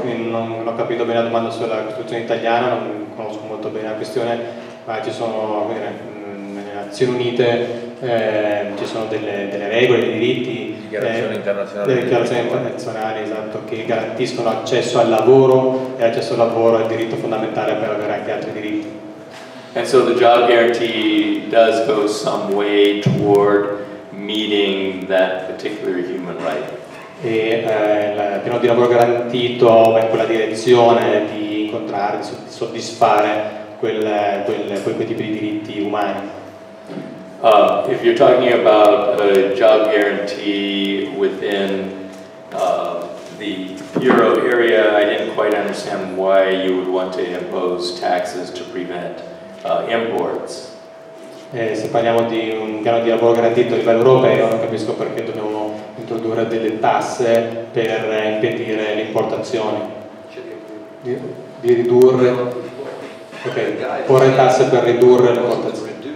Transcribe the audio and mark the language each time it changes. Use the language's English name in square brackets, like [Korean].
[Italian] Non ho capito bene la domanda sulla Costituzione italiana, non conosco molto bene la questione, ma ci sono nelle Nazioni Unite ci sono delle regole, dei diritti, dichiarazioni internazionali, esatto, che garantiscono accesso al lavoro, e accesso al lavoro è il diritto fondamentale per avere anche altri diritti. [English] And so the job guarantee does go some way toward meeting that particular human right. [Italian] E il piano di lavoro garantito va in quella direzione di incontrare, di soddisfare quei tipi di diritti umani. [English] If you're talking about a job guarantee within the euro area, I didn't quite understand why you would want to impose taxes to prevent imports. [Italian] Se parliamo di un piano di lavoro garantito a livello europeo, non capisco perché dobbiamo introdurre delle tasse per impedire le importazioni, di ridurre, ok, porre tasse per ridurre le importazioni.